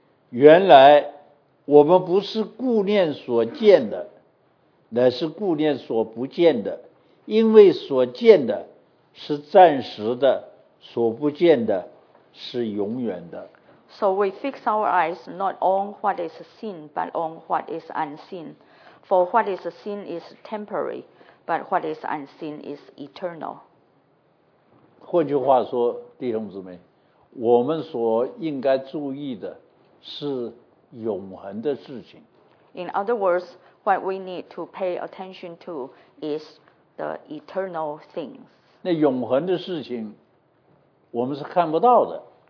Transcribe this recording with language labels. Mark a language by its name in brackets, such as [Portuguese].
[Chinese] 原来我们不是顾念所见的，乃是顾念所不见的，因为所见的是暂时的，所不见的是永远的。 [English] So we fix our eyes not on what is seen, but on what is unseen. For what is seen is temporary, but what is unseen is eternal. [Chinese] 换句话说，弟兄姊妹，我们所应该注意的是永恒的事情。 [English] In other words, what we need to pay attention to is the eternal things. [Chinese] 那永恒的事情，我们是看不到的。